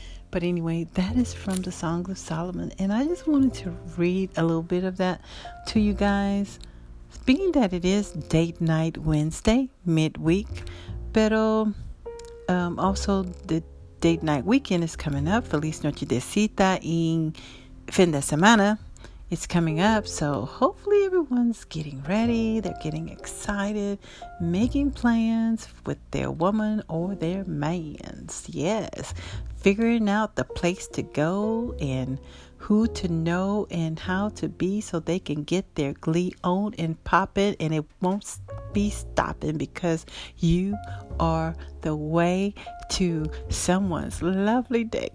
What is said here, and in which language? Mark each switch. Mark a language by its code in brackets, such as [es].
[en] But anyway, that is from the Songs of Solomon. And I just wanted to read a little bit of that to you guys. Being that it is date night Wednesday, midweek, pero also the date night weekend is coming up. [es] Feliz noche de cita en fin de semana. [en] It's coming up, so hopefully everyone's getting ready. They're getting excited, making plans with their woman or their man. Yes, figuring out the place to go and who to know and how to be so they can get their glee on and pop it, and it won't be stopping because you are the way to someone's lovely day.